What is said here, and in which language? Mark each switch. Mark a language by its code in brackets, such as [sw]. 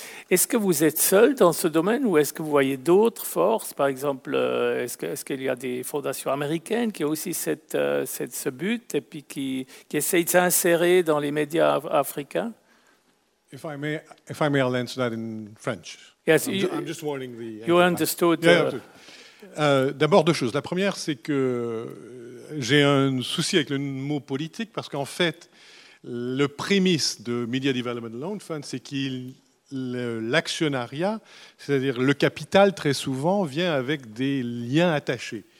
[fr] Est-ce que vous êtes seul dans ce domaine ou est-ce que vous voyez d'autres forces? Par exemple, est-ce qu'il y a des fondations américaines qui ont aussi ce but et puis qui essayent de s'insérer dans les médias africains? [en] If I may, I'll answer that in French. Yes, I'm just warning the. You understood. [fr] D'abord, deux choses. La première, c'est que j'ai un souci avec le mot politique, parce qu'en fait, le prémisse de Media Development Loan Fund, c'est que l'actionnariat, c'est-à-dire le capital, très souvent, vient avec des liens attachés.